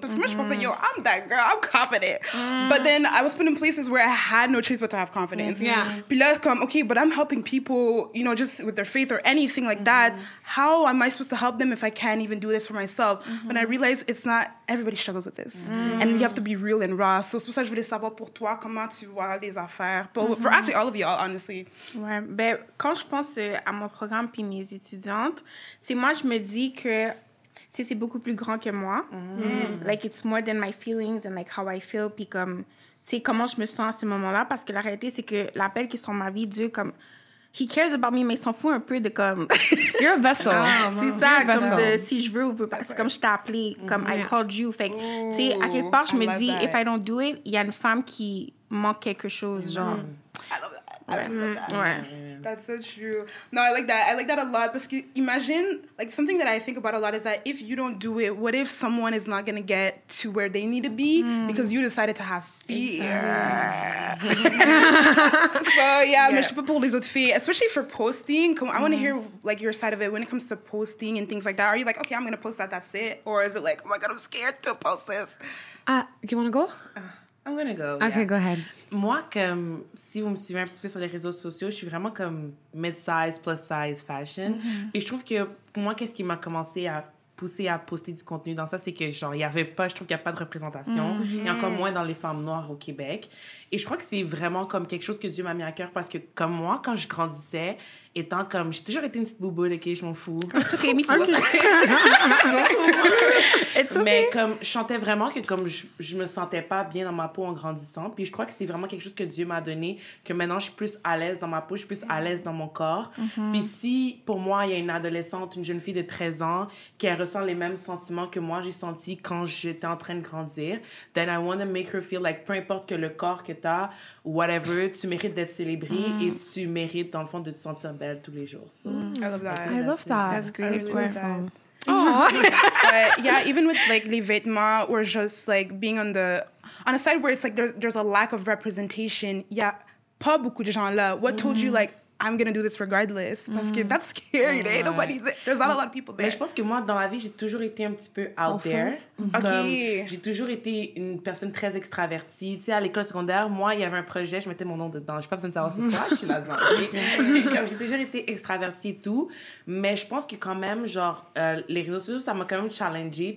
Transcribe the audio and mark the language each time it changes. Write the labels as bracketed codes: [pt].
[fr] Parce que moi, je pensais, [en] yo, I'm that girl, I'm confident. But then I was put in places where I had no choice but to have confidence. [fr] Puis là, comme, [en] okay, but I'm helping people, you know, just with their faith or anything like that. How am I supposed to help them if I can't even do this for myself? When I realized it's not, everybody struggles with this. And you have to be real and raw. [fr] So c'est pour ça que je voulais savoir pour toi comment tu vois les affaires. [en] But for actually all of y'all, honestly. [fr] Quand je pense à mon programme puis mes étudiantes, c'est moi, je me dis que c'est beaucoup plus grand que moi. [en] Like, it's more than my feelings and like how I feel. [fr] Puis comme, tu sais, comment je me sens à ce moment-là. Parce que la réalité, c'est que l'appel qui est sur ma vie, Dieu, comme... [en] He cares about me, [fr] mais il s'en fout un peu de comme... [en] You're a vessel. [fr] C'est ça, comme vessel. Si je veux ou pas. C'est comme je t'ai appelé, comme [en] I called you. [fr] Fait que, tu sais, à quelque part, je me dis, [en] if I don't do it, [fr] il y a une femme qui manque quelque chose, genre... [en] That's so true. No, I like that. I like that a lot. [fr] Parce que imagine, [en] like, something that I think about a lot is that if you don't do it, what if someone is not going to get to where they need to be because you decided to have fear? [fr] Mais je sais pas pour les autres filles, [en] especially for posting. I want to hear, like, your side of it when it comes to posting and things like that. Are you like, okay, I'm going to post that, that's it? Or is it like, oh my God, I'm scared to post this? Do you want to go? I'm gonna go. Okay, go ahead. [fr] Moi, comme, si vous me suivez un petit peu sur les réseaux sociaux, je suis vraiment comme mid-size, plus-size fashion. Puis je trouve que, moi, qu'est-ce qui m'a commencé à poussé à poster du contenu dans ça, c'est que genre il y avait pas, je trouve qu'il y a pas de représentation, mm-hmm. et encore moins dans les femmes noires au Québec. Et je crois que c'est vraiment comme quelque chose que Dieu m'a mis à cœur, parce que comme moi, quand je grandissais, étant comme, j'ai toujours été une petite bouboule, ok, je m'en fous. [en] It's okay, me too. Okay. It's okay. [fr] Mais comme, je sentais vraiment que comme je me sentais pas bien dans ma peau en grandissant, puis je crois que c'est vraiment quelque chose que Dieu m'a donné, que maintenant je suis plus à l'aise dans ma peau, je suis plus à l'aise dans mon corps. Mm-hmm. Puis si, pour moi, il y a une adolescente, une jeune fille de 13 ans, qui elle ressent les mêmes sentiments que moi j'ai senti quand j'étais en train de grandir, [en] then I want to make her feel like, [fr] peu importe que le corps que t'as, whatever, tu mérites d'être célébrée, mm. et tu mérites, dans le fond, de te sentir belle tous les jours. [en] So, mm. I love that. That's great. That's great. I love that. Yeah, even with like [fr] les vêtements [en] or just like being on the on a side where it's like there's a lack of representation. Yeah, [fr] pas beaucoup de gens là. [en] What told you like I'm gonna do this regardless? [fr] Parce que [en] that's scary. Yeah. Eh? Nobody. There's not a lot of people there. [fr] Mais je pense que moi dans la vie j'ai toujours été un petit peu [en] out also? There. Okay. [fr] J'ai toujours été une personne très extravertie. Tu sais, à l'école secondaire, moi, il y avait un projet, je mettais mon nom dedans. J'ai pas besoin de savoir c'est quoi, je suis là-dedans. Comme, j'ai toujours été extravertie et tout. Mais je pense que quand même, genre, les réseaux sociaux, ça m'a quand même challengé.